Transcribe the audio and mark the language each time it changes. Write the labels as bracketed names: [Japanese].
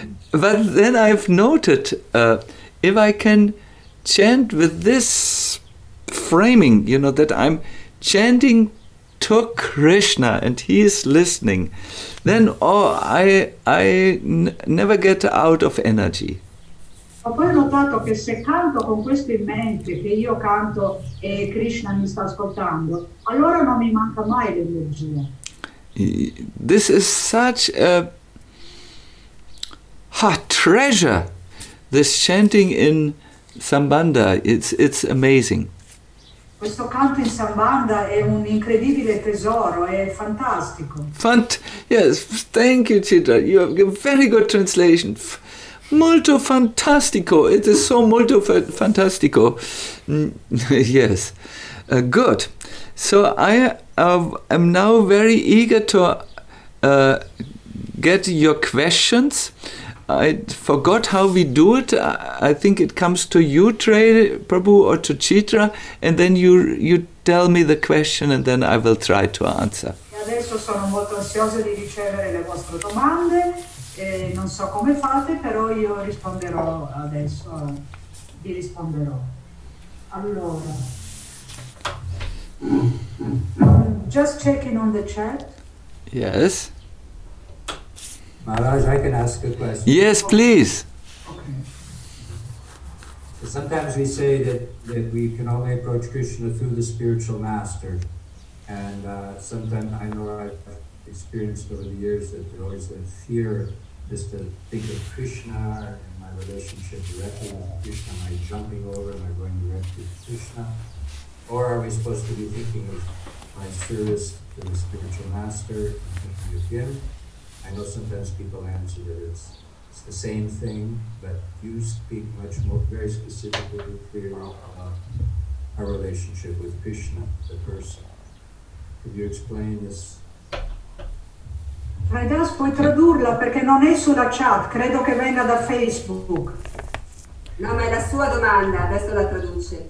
[English] But then I've noted, if I can chant with this framing, you know, that I'm chanting to Krishna and he is listening, then I never get out of energy. [Italian] Ho poi notato che se canto con questo in mente, che io canto e Krishna mi sta ascoltando, allora non mi manca mai l'energia. [English] This is such a treasure, this chanting in Sambandha. It's amazing. [Italian] Questo canto in Sambandha è un incredibile tesoro, è fantastico. [English] Yes, thank you, Chitra. You have a very good translation. [Italian] Molto fantastico. [English] It is so [Italian] molto fantastico. [English] Yes. Good. So I am now very eager to get your questions. I forgot how we do it. I think it comes to you, Trey Prabhu, or to Chitra, and then you tell me the question and then I will try to answer. [Italian] Adesso sono molto ansiosa di ricevere le vostre domande. Non so come fate, però io risponderò adesso, vi risponderò. Allora, [English] just checking on the chat. Yes. Maharaj, I can ask a question. Yes, please. Okay. Sometimes we say that we can only approach Krishna through the spiritual master. And sometimes I know I've experienced over the years that there's always a fear just to think of Krishna and my relationship directly with Krishna. Am I jumping over? Am I going directly to Krishna? Or are we supposed to be thinking of my service to the spiritual master and thinking of him? I know sometimes people answer that it's the same thing, but you speak much more, very specifically, clearly about our relationship with Krishna, the person. Could you explain this? [Italian] Raidas, puoi tradurla perché non è sulla chat, credo che venga da Facebook. No, ma è la sua domanda, adesso la traduce.